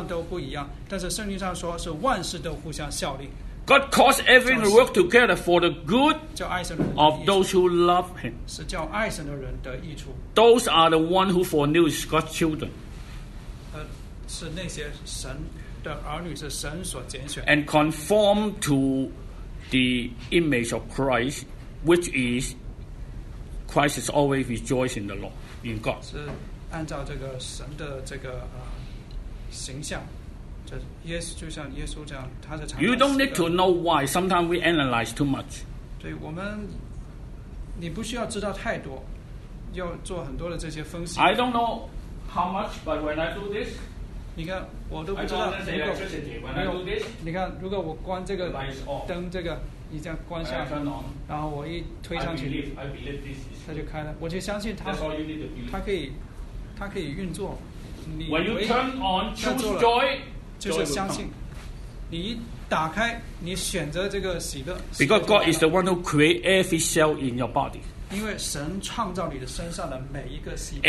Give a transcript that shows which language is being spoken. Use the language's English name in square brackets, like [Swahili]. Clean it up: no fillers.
[Chinese] 情况都不一样，但是圣经上说是万事都互相效力。 [English] God caused everything to work together for the good of those who love Him. [Chinese] 是叫爱神的人得益处。 [English] Those are the one who foreknew God's children. [Chinese] 是那些神的儿女是神所拣选。 [English] And conform to the image of Christ, which is Christ is always rejoicing in the Lord in God. [Chinese] 是。按照这个神的这个形象，这耶稣就像耶稣这样，他的。 [English] You don't need to know why. Sometimes we analyze too much. [Chinese] 对我们，你不需要知道太多，要做很多的这些分析。 [English] I don't know how much, but when I do this, [Chinese] 你看我都不知道。 [English] I don't understand electricity. When I do this, [Chinese] 你看如果我关这个灯，这个你这样关下，然后我一推上去， [English] I believe this is [Chinese] 它就开了，我就相信它，它可以。它可以运作。 [English] When you turn on, choose joy, [Chinese] 就是相信。你一打开，你选择这个喜乐。 [English] Because God is the one who create every cell in your body. [Chinese] 因为神创造你的身上的每一个细胞。